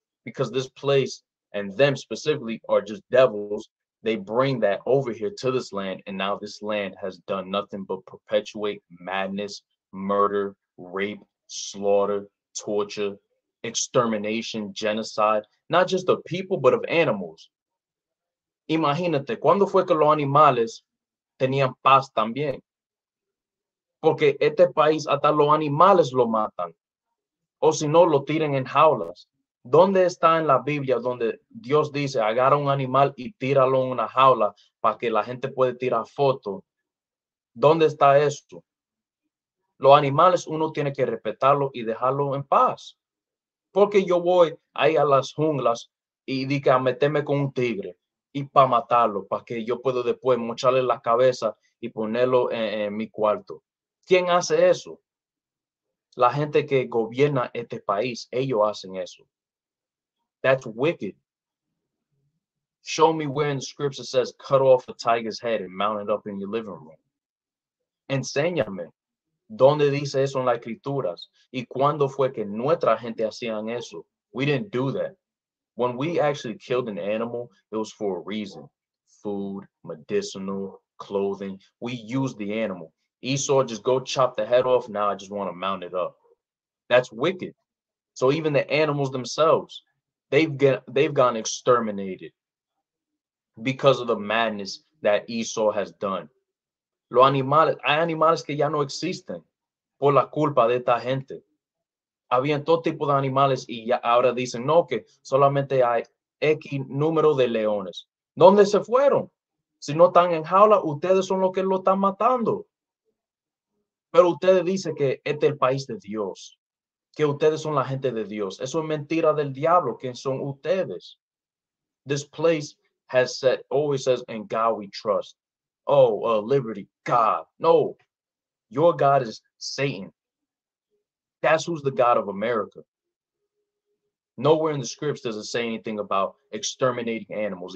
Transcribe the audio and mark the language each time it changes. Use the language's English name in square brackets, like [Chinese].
[English] Because this place and them specifically are just devils. They bring that over here to this land. And now this land has done nothing but perpetuate madness, murder, rape, slaughter, torture, extermination, genocide, not just of people, but of animals. [Spanish] Imagínate, ¿cuándo fue que los animales tenían paz también? Porque este país hasta los animales lo matan. O si no, lo tiran en jaulas. ¿Dónde está en la Biblia donde Dios dice, agarra un animal y tíralo en una jaula para que la gente pueda tirar foto? ¿Dónde está eso? Los animales uno tiene que respetarlo y dejarlo en paz. Porque yo voy ahí a las junglas y digo, a meterme con un tigre y para matarlo, para que yo pueda después mocharle la cabeza y ponerlo en mi cuarto. ¿Quién hace eso? La gente que gobierna este país, ellos hacen eso. [English] That's wicked. Show me where in the scripture says cut off a tiger's head and mount it up in your living room. [Spanish] Enséñame dónde dice eso en las escrituras y cuándo fue que nuestra gente hacían eso. [English] We didn't do that. When we actually killed an animal, it was for a reason. Food, medicinal, clothing. We used the animal. Esau, just go chop the head off. Now I just want to mount it up. That's wicked. So even the animals themselves, they've gone exterminated because of the madness that Esau has done. [Spanish] Los animales, hay animales que ya no existen por la culpa de esta gente. Habían todo tipo de animales y ya ahora dicen, no, que solamente hay X número de leones. ¿Dónde se fueron? Si no están en jaula, ustedes son los que lo están matando. Pero ustedes dicen que este es el país de Dios, que ustedes son la gente de Dios. Eso es mentira del diablo, que son ustedes. [English] This place has said, always says, in God we trust. Oh, liberty, God. No, your God is Satan. That's who's the God of America. Nowhere in the scripts does it say anything about exterminating animals.